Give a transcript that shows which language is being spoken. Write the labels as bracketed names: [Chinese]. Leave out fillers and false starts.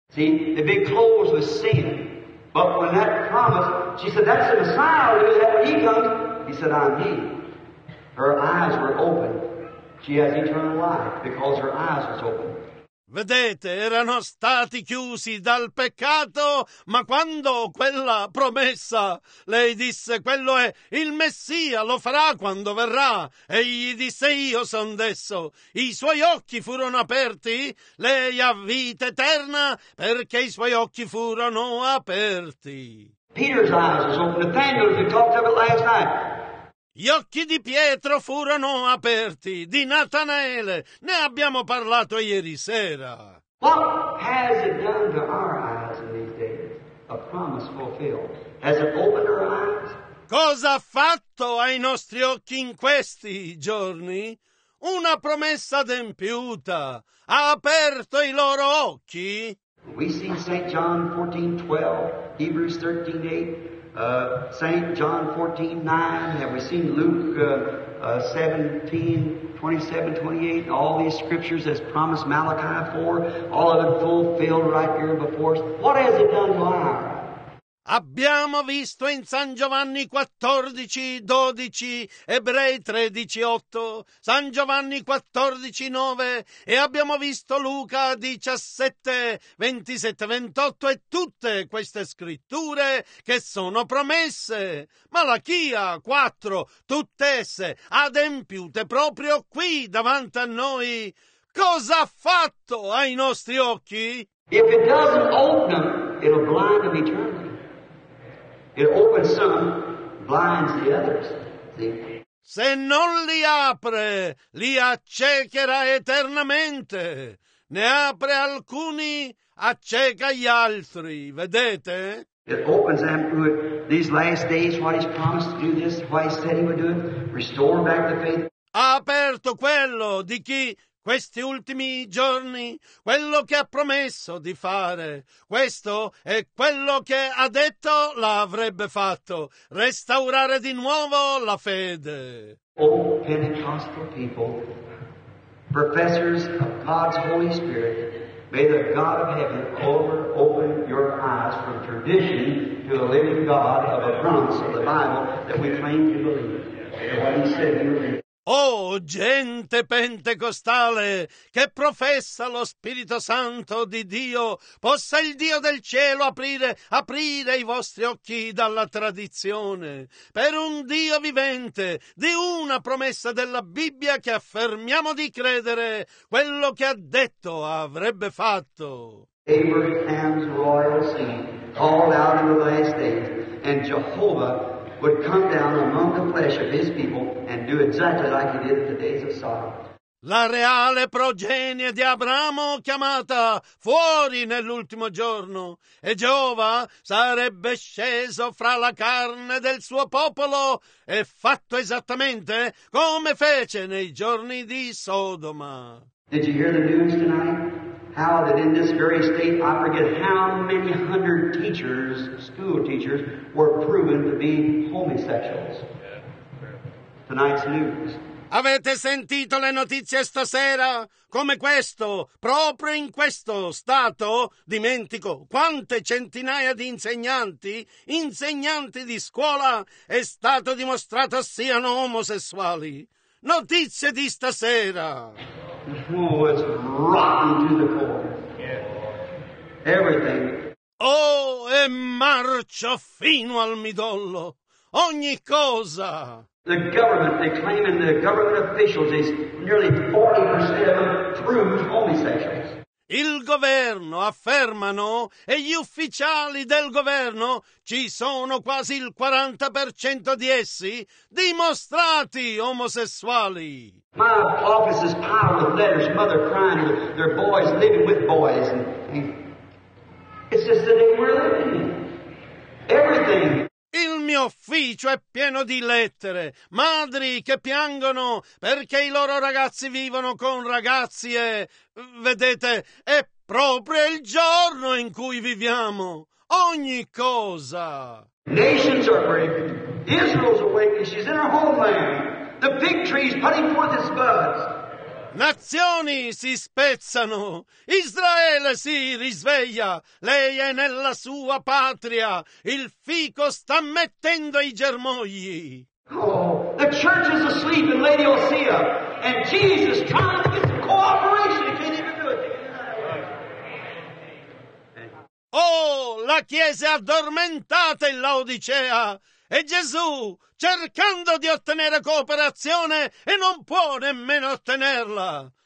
[English] See, the big clothes were sin, but when that promise, she said, that's the Messiah, when he comes, he said, I'm he. Her eyes were open. She has eternal life because her eyes were open. [Italian] Vedete, erano stati chiusi dal peccato, ma quando quella promessa, lei disse, quello è il Messia, lo farà quando verrà. E gli disse, io son d'esso. I suoi occhi furono aperti, lei ha vita eterna, perché i suoi occhi furono aperti. [English] Peter's eyes was open. Nathaniel, if you talked about it last night. [Italian] Gli occhi di Pietro furono aperti, di Natanaele, ne abbiamo parlato ieri sera. [English] What has it done to our eyes in these days? A promise fulfilled. Has it opened our eyes? [Italian] Cosa ha fatto ai nostri occhi in questi giorni? Una promessa adempiuta. Ha aperto i loro occhi? [English] We see St. John 14:12, Hebrews 13:8. St. John 14:9, have we seen Luke 17:27-28, all these scriptures as promised Malachi 4, all of it fulfilled right here before us. What has it done to our [Italian] Abbiamo visto in San Giovanni 14:12, Ebrei 13:8, San Giovanni 14:9 e abbiamo visto Luca 17:27-28 e tutte queste scritture che sono promesse. Malachia 4, tutte esse adempiute proprio qui davanti a noi. Cosa ha fatto ai nostri occhi? [English] If it doesn't open them, it'll blind them eternally. It opens some, blinds the others. See? [Italian] Se non li apre, li accecherà eternamente. Ne apre alcuni, acceca gli altri. Vedete? [English] It opens them through these last days, what he's promised to do this, what he said he would do it, restore back the faith. [Italian] Ha aperto quello di chi... Questi ultimi giorni, quello che ha promesso di fare, questo è quello che ha detto l'avrebbe fatto, restaurare di nuovo la fede. [English] Oh, Pentecostal people, professors of God's Holy Spirit, may the God of heaven open your eyes from tradition to the living God of a promise of the Bible that we claim to believe. And what he said, you believe. [Italian] Oh, gente pentecostale, che professa lo Spirito Santo di Dio, possa il Dio del cielo aprire i vostri occhi dalla tradizione, per un Dio vivente, di una promessa della Bibbia che affermiamo di credere, quello che ha detto avrebbe fatto. [English] Abraham's royal seed, called out in the last days, and Jehovah would come down among the flesh of his people and do exactly like he did in the days of Sodom. [Italian] La reale progenie di Abramo chiamata fuori nell'ultimo giorno e Geova sarebbe sceso fra la carne del suo popolo e fatto esattamente come fece nei giorni di Sodoma. [English] Did you hear the news tonight? How that in this very state, I forget how many hundred teachers, school teachers, were proven to be homosexuals. Tonight's news. [Italian] Avete sentito le notizie stasera? Come questo, proprio in questo stato, dimentico, quante centinaia di insegnanti di scuola è stato dimostrato siano omosessuali. Notizie di stasera. [English] Oh, it's rotten to the core. Everything. [Italian] Oh, è marcio fino al midollo. Ogni cosa. [English] The government, they claim in the government officials, is nearly 40% of proved homosexuals. [Italian] Il governo, affermano, e gli ufficiali del governo, ci sono quasi il 40% di essi dimostrati omosessuali. [English] My office is piled with letters, mother crying, their boys living with boys. It's just the day we're living in. Everything. [Italian] Il mio ufficio è pieno di lettere, madri che piangono perché i loro ragazzi vivono con ragazzi e, vedete, è proprio il giorno in cui viviamo. Ogni cosa. [English] Nations are breaking. Israel's awakening. She's in her homeland. The fig tree is putting forth its buds. [Italian] Nazioni si spezzano. Israele si risveglia. Lei è nella sua patria. Il fico sta mettendo i germogli. [English] Oh, the church is asleep in Lady Osea. And Jesus trying to get some cooperation. He can't even do it. [Italian] Oh, la chiesa è addormentata in Laodicea. E Gesù, cercando di ottenere cooperazione, e non può nemmeno ottenerla.